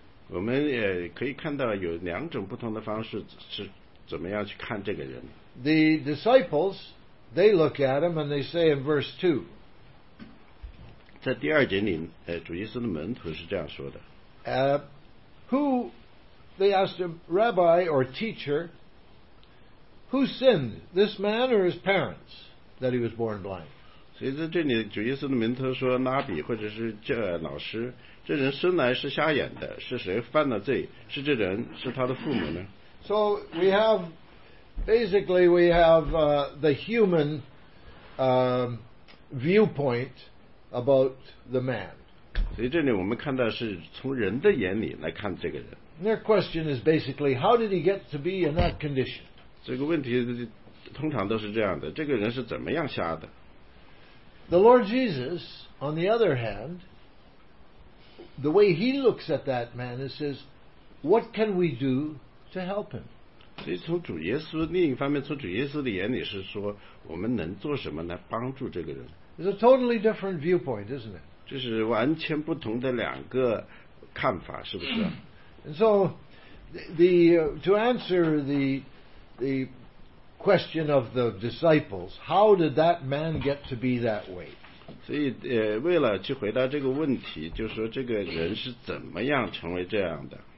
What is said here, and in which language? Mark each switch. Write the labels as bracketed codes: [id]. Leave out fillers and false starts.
[zh] 我们也可以看到有两种不同的方式是怎么样去看这个人。 [en] The disciples, they look at him and they say in verse 2. [zh] 在第二节里，主耶稣的门徒是这样说的。 [en] Who, they asked him, Rabbi or teacher, who sinned, this man or his parents? That he was born blind. [zh] 所以这对你主耶稣的门徒说，拉比或者是这老师，这人生来是瞎眼的，是谁犯了罪？是这人，是他的父母呢？ [en] So we have basically we have the human viewpoint about the man. [zh] 所以这里我们看到是从人的眼里来看这个人。 [en] Their question is basically, how did he get to be in that condition? [zh] 这个问题通常都是这样的，这个人是怎么样瞎的？ [en] The Lord Jesus, on the other hand, the way he looks at that man is says, what can we do to help him? [zh] 所以从主耶稣另一方面，从主耶稣的眼里是说，我们能做什么来帮助这个人？ [en] It's a totally different viewpoint, isn't it? [zh] 这是完全不同的两个看法，是不是？ [en] And so, to answer the question of the disciples, how did that man get to be that way? [zh] 所以为了去回答这个问题，就说这个人是怎么样成为这样的？